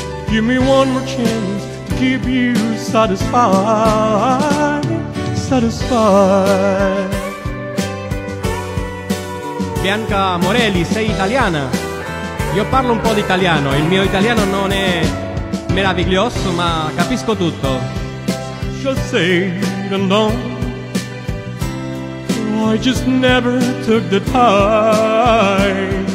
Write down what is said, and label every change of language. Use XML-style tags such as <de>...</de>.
<en>Give me one more chance to keep you satisfied, satisfied.</en> <it>Bianca Morelli, sei italiana? Io parlo un po' di italiano, il mio italiano non è meraviglioso, ma capisco tutto.</it> <en>Just say and on, I just never took the time.</en>